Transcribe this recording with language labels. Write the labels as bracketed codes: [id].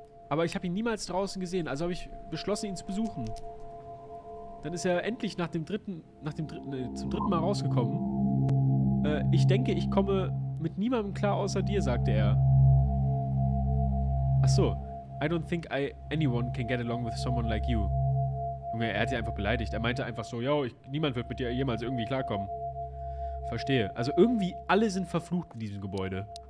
[de] Aber ich habe ihn niemals draußen gesehen. Also habe ich beschlossen, ihn zu besuchen. Dann ist er endlich zum dritten Mal rausgekommen. Ich denke, ich komme mit niemandem klar außer dir, sagte er. Ach so. [en] I don't think anyone can get along with someone like you. [de] Junge, er hat sie einfach beleidigt. Er meinte einfach so, yo, niemand wird mit dir jemals irgendwie klarkommen. Verstehe. Also irgendwie alle sind verflucht in diesem Gebäude.